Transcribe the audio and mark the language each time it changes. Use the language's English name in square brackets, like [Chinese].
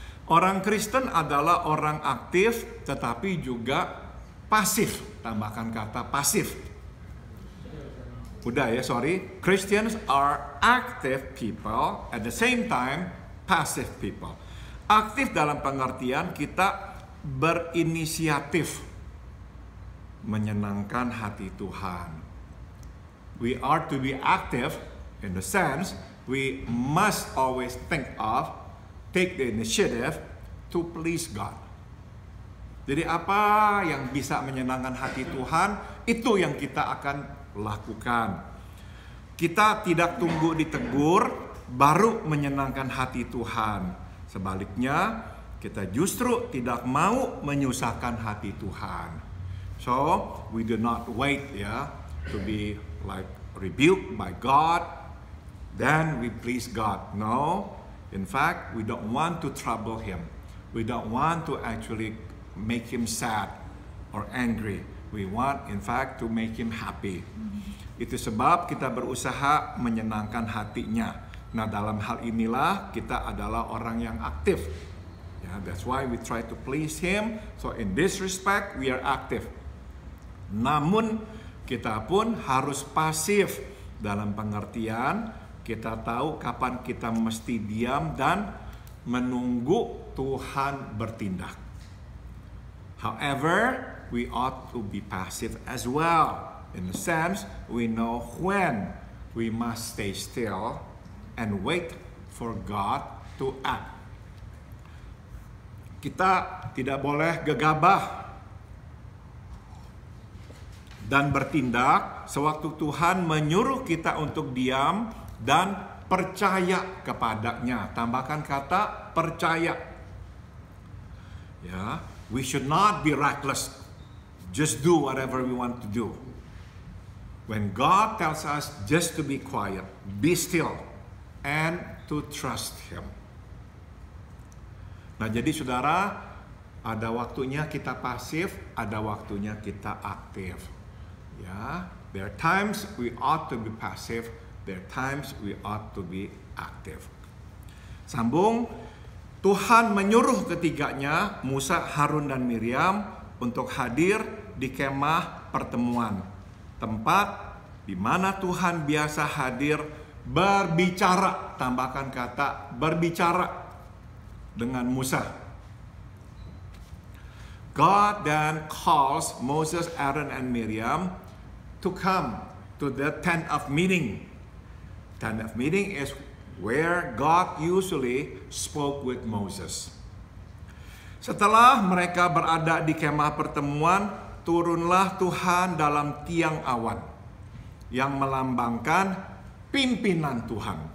[Indonesian] Orang Kristen adalah orang aktif tetapi juga pasif. Tambahkan kata pasif. Udah ya, sorry. [English] Christians are active people at the same time passive people. [Indonesian] Aktif dalam pengertian kita berinisiatif menyenangkan hati Tuhan. [English] We are to be active in the sense we must always think of, take the initiative to please God. [Indonesian] Jadi apa yang bisa menyenangkan hati Tuhan, itu yang kita akan lakukan. Kita tidak tunggu ditegur, baru menyenangkan hati Tuhan. Sebaliknya, kita justru tidak mau menyusahkan hati Tuhan. [English] So, we do not wait ya to be like rebuked by God, then we please God. No, in fact, we don't want to trouble Him. We don't want to actually make Him sad or angry. We want, in fact, to make Him happy. [Indonesian] Itu sebab kita berusaha menyenangkan hatinya. Nah, dalam hal inilah kita adalah orang yang aktif. [English] Yeah, that's why we try to please Him. So in this respect, we are active. [Indonesian] Namun, kita pun harus pasif dalam pengertian. Kita tahu kapan kita mesti diam dan menunggu Tuhan bertindak. [English] However, we ought to be passive as well. In a sense, we know when we must stay still and wait for God to act. [Indonesian] Kita tidak boleh gegabah dan bertindak sewaktu Tuhan menyuruh kita untuk diam dan percaya kepada-Nya. Tambahkan kata percaya. [English] Ya, we should not be reckless. Just do whatever we want to do. When God tells us just to be quiet, be still, and to trust Him. [Indonesian] Nah, jadi saudara, ada waktunya kita pasif, ada waktunya kita aktif. [English] Ya, there are times we ought to be passive, there are times we ought to be active. [Indonesian] Sambung, Tuhan menyuruh ketiganya, Musa, Harun, dan Miriam, untuk hadir di kemah pertemuan, tempat di mana Tuhan biasa hadir berbicara, tambahkan kata berbicara dengan Musa. [English] God then calls Moses, Aaron, and Miriam to come to the tent of meeting. Tent of meeting is where God usually spoke with Moses. [Indonesian] Setelah mereka berada di kemah pertemuan, turunlah Tuhan dalam tiang awan yang melambangkan pimpinan Tuhan.